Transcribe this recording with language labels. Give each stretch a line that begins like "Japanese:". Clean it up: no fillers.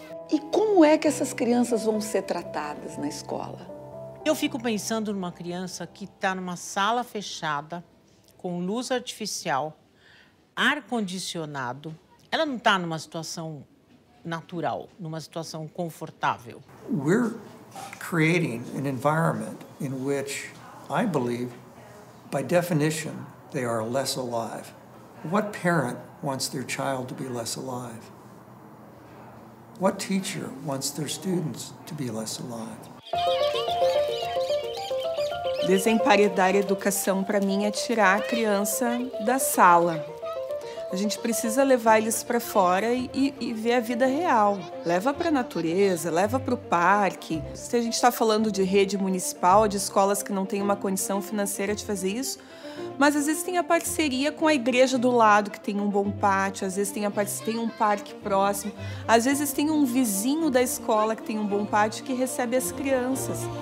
Portuguese: E como é que essas crianças vão ser tratadas na escola? Eu fico pensando numa criança que está numa sala fechada, com luz artificial, ar-condicionado. Ela não está numa situação natural, numa situação confortável.
English: We're creating an environment in which, I believe, by definition, they are less alive. What parent wants their child to be less alive? What teacher wants their students to be less alive?
Portuguese: Desemparedar a educação, para mim, é tirar a criança da sala. A gente precisa levar eles para fora e ver a vida real. Leva para a natureza, leva para o parque. Se a gente está falando de rede municipal, de escolas que não têm uma condição financeira de fazer isso, mas às vezes tem a parceria com a igreja do lado, que tem um bom pátio, às vezes tem um parque próximo, às vezes tem um vizinho da escola que tem um bom pátio que recebe as crianças.